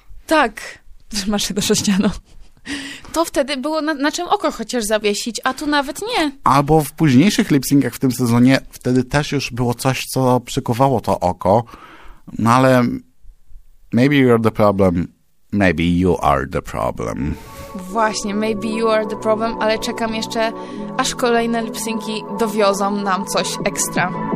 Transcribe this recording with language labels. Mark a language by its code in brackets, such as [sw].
[pl] Tak, przez marsze do sześcianu. To wtedy było na czym oko chociaż zawiesić, a tu nawet nie. Albo w późniejszych lipsynkach w tym sezonie wtedy też już było coś, co przykuwało to oko, no ale [en] maybe you're the problem. Maybe you are the problem. [pl] Właśnie, [en] maybe you are the problem, [pl] ale czekam jeszcze, aż kolejne lipsynki dowiozą nam coś ekstra.